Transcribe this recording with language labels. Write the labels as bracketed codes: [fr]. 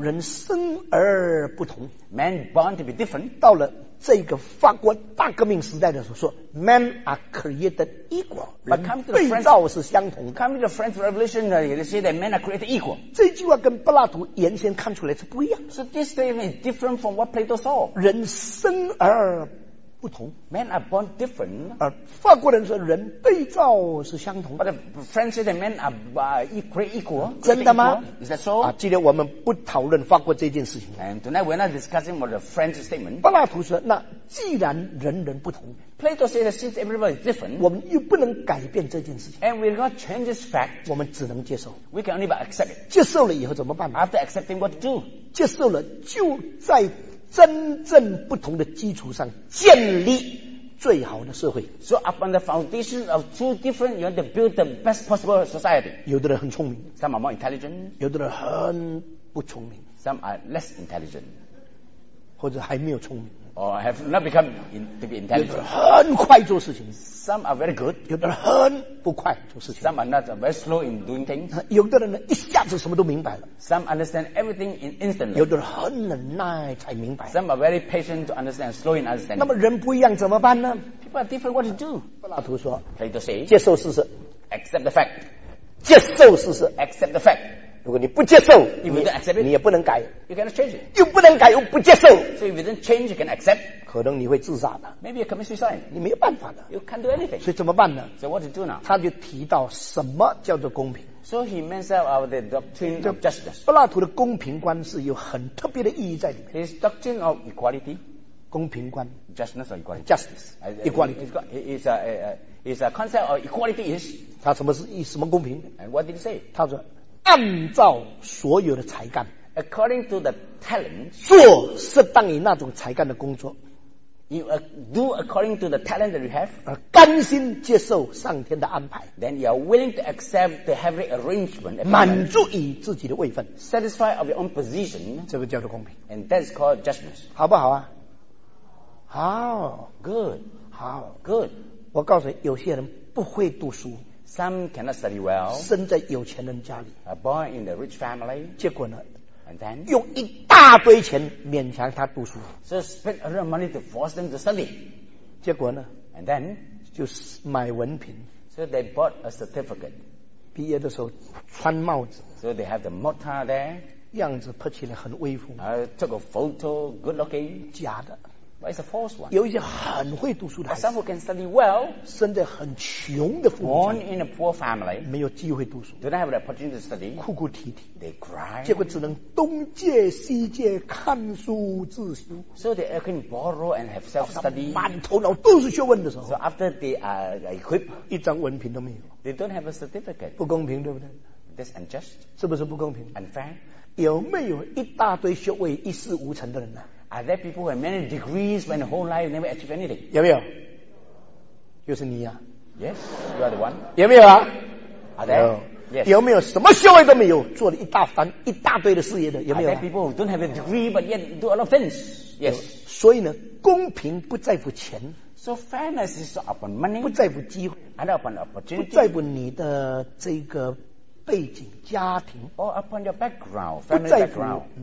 [zh] 人生而不同 [en] Man born to be different [zh] 到了这个法国大革命时代的时候说 [en] Men are created equal [zh] 人被造是相同的 [en] Coming to the French Revolution they say that men are created equal [zh] 这句话跟柏拉图原先看出来是不一样 [en] So this statement is different from what Plato saw [zh] 人生而不同 [en] Men are born different [zh] 而法国人说人被造是相同 [en] But the French say that men are created equal [zh] 真的吗 [en] Is that so?、 [zh] 今天我们不讨论法国这件事情 [en] And tonight we're not discussing what the French statement [zh] 柏拉图说那既然人人不同 [en] Plato says that since everybody is different [zh] 我们又不能改变这件事情 [en] And we cannot change this fact [zh] 我们只能接受 [en] We can only but accept it [zh] 接受了以后怎么办 [en] After accepting what to do [zh] 接受了就在真正不同的基础上建立最好的社会 [en] So upon the foundation of two different you want to build the best possible society [zh] 有的人很聪明 [en] Some are more intelligent [zh] 有的人很不聪明 [en] Some are less intelligent [zh] 或者还没有聪明 [en] Or have not become to be intelligent [zh] 有的人很快做事情 [en] Some are very good [zh] 有的人很不快做事情 [en] Some are not very slow in doing things [zh] 有的人一下子什么都明白了 [en] Some understand everything in instantly [zh] 有的人很忍耐才明白 [en] Some are very patient to understand slow in understanding [zh] 那么人不一样怎么办呢 [en] People are different what to do [zh] 柏拉图说 [en] Plato say [zh] 接受事实 [en] Accept the fact [zh] 接受事实 [en] Accept the fact [zh] 如果你不接受 [en] If you don't accept it [zh] 你也不能改 [en] You cannot change it [zh] 又不能改又不接受 [en] So if you don't change you can accept [zh] 可能你会自杀的 [en] Maybe you commit suicide [zh] 你没有办法的 [en] You can't do anything [zh] 所以怎么办呢 [en] So what to do now [zh] 他就提到什么叫做公平 [en] So he mentioned about the doctrine of justice [zh] 柏拉图的公平观是有很特别的意义在里面 [en] His doctrine of equality [zh] 公平观 [en] Justness or equality Justice Equality It's a concept of equality is [zh] 他什么公平 [en] And what did he say [zh] 他说按照所有的才干 [en] According to the talent [zh] 做适当于那种才干的工作 [en] You do according to the talent that you have. [zh] 而甘心接受上天的安排。 [en] Then you are willing to accept the heavenly arrangement. [zh] 满足于自己的位分。 [en] Satisfy of your own position. [zh] 这个叫做公平。 [en] And that is called justice. [zh] 好不好啊？好。 [en] Good. [zh] 好。 [en] Good. [zh] 我告诉你，有些人不会读书。 [en] Some cannot study well. [zh] 生在有钱人家里。 [en] Are born in the rich family. [zh] 结果呢？ [en] And then, [zh] 用一大堆钱勉强他读书 [en] So spend a lot of money to force them to study [zh] 结果呢 [en] And then [zh] 就买文凭 [en] So they bought a certificate [zh] 毕业的时候穿帽子 [en] So they have the motta there [zh] 样子拍起来很威风 [en] took a photo good looking [zh] 假的 [en] But it's a false one. [zh] 有一些很会读书的孩子。 [en] Some who can study well. [zh] 生在很穷的父母家。 [en] Born in a poor family. [zh] 没有机会读书。 [en] Don't have the opportunity to study. [zh] 哭哭啼啼。 [en] They cry. [zh] 结果只能东借西借看书自修。 [en] So they can borrow and have self-study. [zh] 满头脑都是学问的时候。 [en] So after they are equipped. [zh] 一张文凭都没有。 [en] They don't have a certificate. [zh] 不公平，对不对？ [en] That's unjust. [zh] 是不是不公平 [en] ？Unfair. [zh] 有没有一大堆学位一事无成的人呢 [en] ？Are there people who have many degrees but in their whole life never achieve anything? [zh] 有没有？就是你啊。 [en] Yes, you are the one. [zh] 有没有啊 [en] ？Are there? No. Yes. [zh] 有没有什么学位都没有，做了一大番一大堆的事业的？有没有、啊、 [en] ？Are there people who don't have a degree but yet do a lot of things? Yes. [zh] 所以呢，公平不在乎钱。 [en] So fairness is upon money. [zh] 不在乎机会 [en] ，and upon opportunity. [zh] 不在乎你的这个。背景家庭 [en] or upon your background, family background,